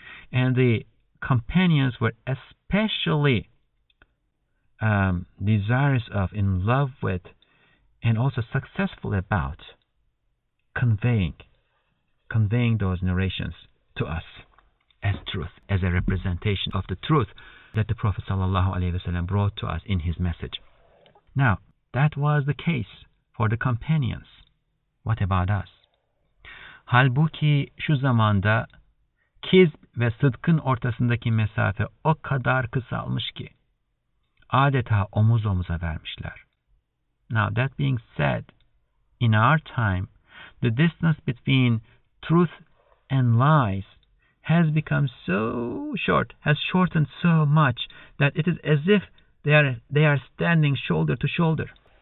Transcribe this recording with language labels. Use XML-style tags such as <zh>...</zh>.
<en>And the companions were especially desirous of, in love with, and also successful about conveying those narrations to us as truth, as a representation of the truth that the Prophet sallallahu alaihi wasallam brought to us in his message. Now, that was the case for the companions. What about us?</en> <tr>Halbuki şu zamanda kizb ve sıdkın ortasındaki mesafe o kadar kısalmış ki adeta omuz omuza vermişler.</tr> <en>Now, that being said, in our time, the distance between truth and lies has become so short, has shortened so much that it is as if they are standing shoulder to shoulder.</en>